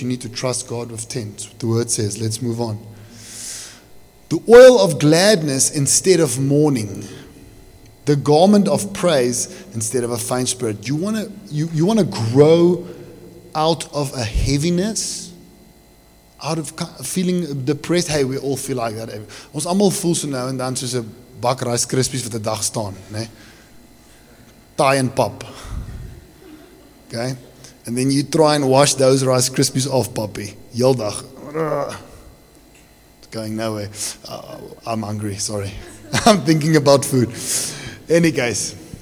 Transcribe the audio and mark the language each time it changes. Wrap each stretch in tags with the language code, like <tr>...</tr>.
<en>You need to trust God with 10. The word says, let's move on. The oil of gladness instead of mourning. The garment of praise instead of a faint spirit. You want to grow out of a heaviness? Out of feeling depressed, hey, we all feel like that.</en> <af>Ons almal voel so nou en dan soos 'n bak Rice Krispies wat 'n dag staan, né? Taai en pap. Okay?</af> <en>And then you try and wash those Rice Krispies off, puppy.</en> <af>Heel dag.</af> <en>It's going nowhere. I'm hungry, sorry. I'm thinking about food. Any case.</en>